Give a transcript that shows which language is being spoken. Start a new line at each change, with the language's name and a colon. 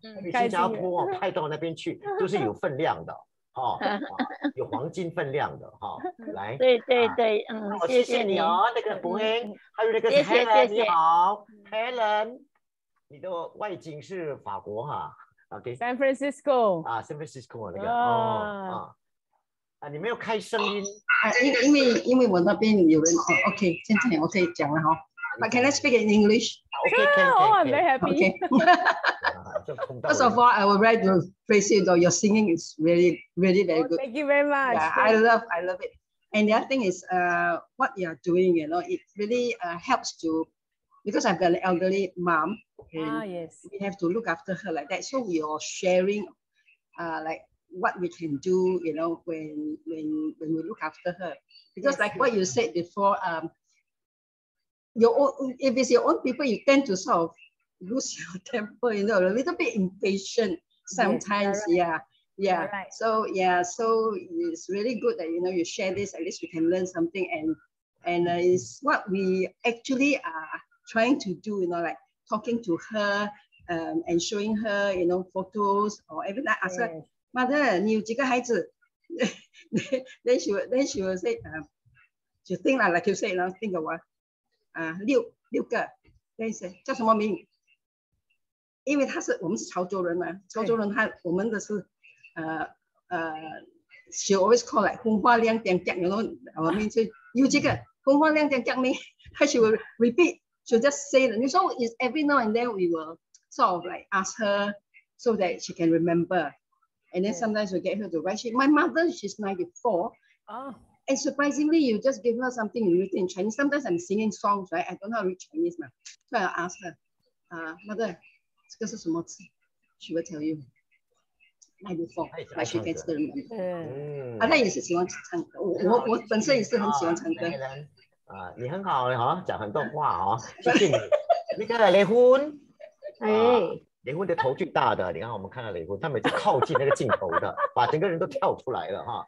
Chinese: 去新加坡、哦、派到那边去都是有分量的哦哦、有黄金分量的、哦、来，对对对、啊嗯、谢谢你哦，谢你那个博英、嗯、还有那个 Helen，谢谢你好 Helen， 你的外景是法国哈、啊、OK
English: San Francisco
Chinese: 啊 San Francisco 那个、哦啊、你没有开声音、啊、因为我那边有人、哦、OK 现在 OK 讲了、哦、
English: But can I speak in English Okay, oh, I'm very happy. Okay. First of all, I would like to praise you though. Your singing is really, really very good. Oh, thank you very much. Yeah, I love it. And the other thing is, what you're doing, you know, it really helps to, because I've got an elderly mom. Yes. We have to look after her like that. So we are sharing, like what we can do, you know, when we look after her. Because like what you said before, if it's your own people, you tend to sort of lose your temper, you know, a little bit impatient sometimes. Yes, yeah, right. Yeah. Right. So yeah, so it's really good that you know you share this. At least we can learn something, and it's what we actually are trying to do. You know, like talking to her, and showing her, you know, photos or everything. Ask her, mother,
Chinese: 你有几个孩子?
English: then she will say, to think like you say, you know, think of what.
Chinese: 六个，那些叫什么名？因为我们是潮州人嘛，潮州人我们的是，
English: she always call like
Chinese: 红花亮点点，然后我们就有几个红花亮点点名，她
English: she will repeat, she'll just say them. So it's every now and then we will sort of like ask her so that she can remember, and then sometimes we get her to write. My mother, she's 94. Oh. And surprisingly, you just give her something written in Chinese. Sometimes I'm singing songs, right? I don't know how to read Chinese, man. So I'll ask her, mother,
Chinese: 这个是什么字?
English: She will tell you. 94, but she can still remember.
Chinese: 她也是喜欢唱歌。我本身也是很喜欢唱歌。你很好哦，讲很多话哦，谢谢你。那个雷昏，雷昏的头巨大的，你看我们看到雷昏，他每次靠近那个镜头的，把整个人都跳出来了哈。